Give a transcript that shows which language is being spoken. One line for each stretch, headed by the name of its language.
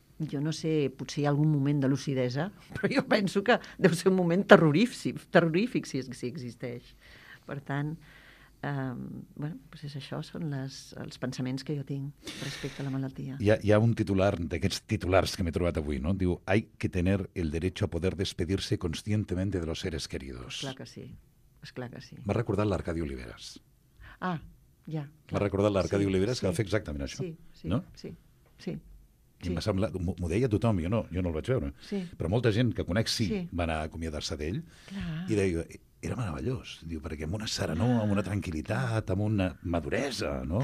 Catalan: Jo no sé, potser hi ha algun moment de lucidesa, però jo penso que deu ser un moment terrorífic si existeix. Per tant, bueno, doncs és això, són els pensaments que jo tinc respecte a la malaltia. Hi ha un titular d'aquests titulars que m'he trobat avui, no?
Spanish: Diu, hay que tener el derecho a poder despedirse conscientemente de los seres queridos.
Catalan: Clar que sí. És clar que sí. M'ha recordat l'Arcadi Oliveres. Ah, ja. M'ha recordat l'Arcadi Oliveres, sí, que va fer exactament això. Sí. M'ha semblat, m'ho deia tothom, jo no el vaig veure. Sí. Però molta gent que conec sí va anar a acomiadar-se d'ell. Clar. I deia, era meravellós, diu, perquè amb una serenor, clar, amb una tranquil·litat, amb una maduresa, no?